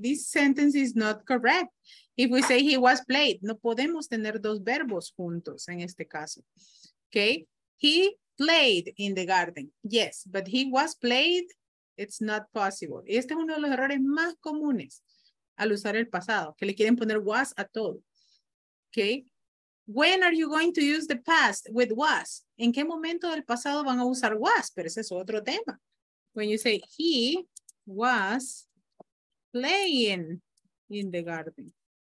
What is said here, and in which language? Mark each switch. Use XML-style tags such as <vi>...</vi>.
<en>This sentence is not correct. If we say he was played,</en> <es>no podemos tener dos verbos juntos en este caso.</es> <en>Okay. He played in the garden. Yes, but he was played. It's not possible.</en> <es>Este es uno de los errores más comunes al usar el pasado, que le quieren poner was a todo.</es> <en>Okay. When are you going to use the past with was?</en> <es>¿En qué momento del pasado van a usar was? Pero ese es otro tema.</es> <en>When you say he was playing in the garden.</en>